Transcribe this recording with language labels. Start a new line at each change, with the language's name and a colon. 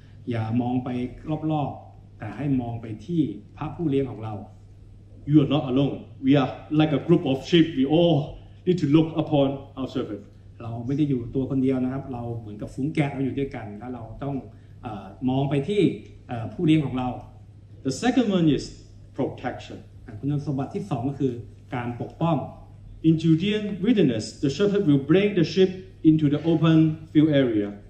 Thai: อย่ามองไปรอบๆแต่ให้มองไปที่พระผู้เลี้ยงของเรา
English: You are not alone. We are like a group of sheep. We all need to look upon our servant.
Thai: เราไม่ได้อยู่ตัวคนเดียวนะครับเราเหมือนกับฝูงแกะเราอยู่ด้วยกันแล้วเราต้องมองไปที่ผู้เลี้ยงของเรา
English: The second one is protection.
Thai: คุณสมบัติที่สองก็คือการปกป้อง
English: In Judean wilderness, the shepherd will bring the sheep into the open field area.